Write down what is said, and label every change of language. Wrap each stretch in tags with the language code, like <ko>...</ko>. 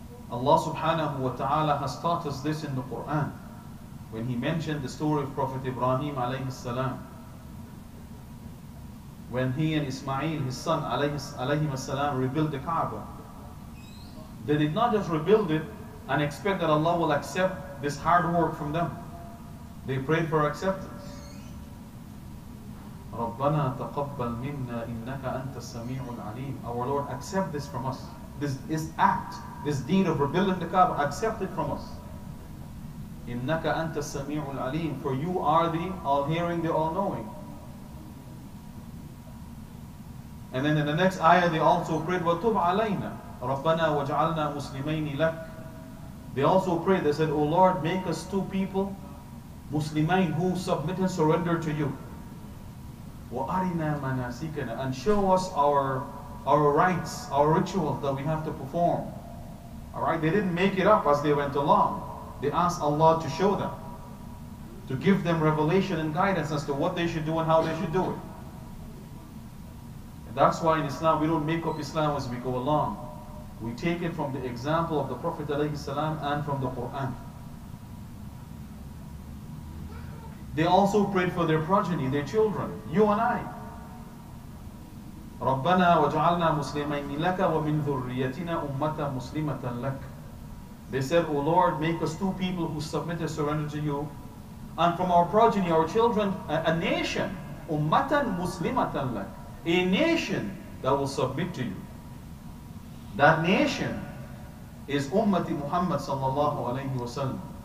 <en>Allah subhanahu wa ta'ala has taught us this in the Qur'an, when He mentioned the story of Prophet Ibrahim alayhi salam, when he and Ismail, his son alayhi salam, rebuilt the Kaaba. They did not just rebuild it and expect that Allah will accept this hard work from them. They prayed for acceptance.</en> <ar>رَبَّنَا تَقَبَّلْ مِنَّا إِنَّكَ أَنْتَ السَّمِيعُ الْعَلِيمُ</ar> <en>Our Lord, accept this from us. This act, this deed of rebuilding the Kaaba, accept it from us.</en> <ar>إِنَّكَ أَنْتَ السَّمِيعُ الْعَلِيمُ</ar> <en>For you are the all-hearing, the all-knowing. And then in the next ayah, they also prayed,</en> <ar>وَتُبْ عَلَيْنَا رَبَّنَا وَجْعَلْنَا مُسْلِمَيْنِ لَكْ</ar> <en>They also prayed, they said, O Lord, make us two people, Muslimain, who submit and surrender to you.</en> <ar>وَأَرِنَا مَنَاسِكَنَا</ar> <en>And show us our rites, our rituals that we have to perform. Alright, they didn't make it up as they went along. They asked Allah to show them, to give them revelation and guidance as to what they should do and how they should do it. And that's why in Islam, we don't make up Islam as we go along. We take it from the example of the Prophet ﷺ and from the Qur'an. They also prayed for their progeny, their children, you and I.</en> <ar>ربنا وجعلنا مسلمين لك ومن ذريتنا أمة مسلمة لك.</ar> <en>They said, O Lord, make us two people who submit and surrender to you, and from our progeny, our children, a nation,</en> <ar>ummatan muslimatan lak,</ar> <en>a nation that will submit to you. That nation is ummati Muhammad sallallahu alayhi wasallam.</en>